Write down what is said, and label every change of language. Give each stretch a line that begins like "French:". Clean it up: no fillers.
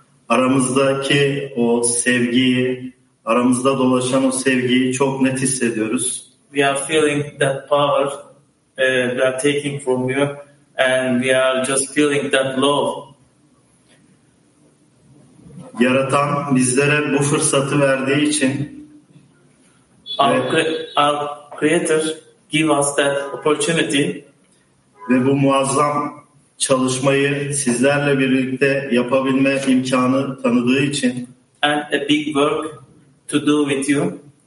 Turkish: Aramızdaki o sevgiyi, aramızda dolaşan o sevgiyi çok net hissediyoruz.
English: We are feeling that power we are taking from you, and we are just feeling that love.
Turkish: Yaratan bizlere bu fırsatı verdiği için
English: our creator give us that opportunity
Turkish: ve bu muazzam çalışmayı sizlerle birlikte yapabilme imkanı tanıdığı için
English: and a big work to do with you.